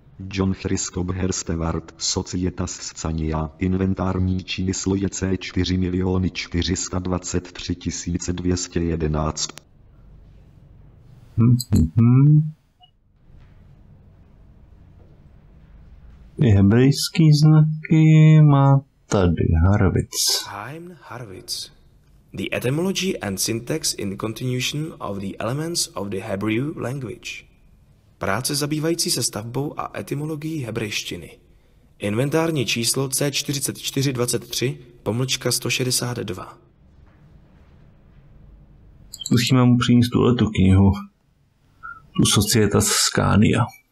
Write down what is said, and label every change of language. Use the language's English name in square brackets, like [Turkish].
[Czech] John Christoph Herstewart, Societas Scania, inventární číslo je C4423211. Ty hebrejský znaky má tady Harvitz. Heim Harvitz. [English] The etymology and syntax in continuation of the elements of the Hebrew language. [Czech] Práce zabývající se stavbou a etymologií hebrejštiny. Inventární číslo C4423, pomlčka 162. Zkusíme mu přinést tuhle tu knihu. Tu Societas Scania.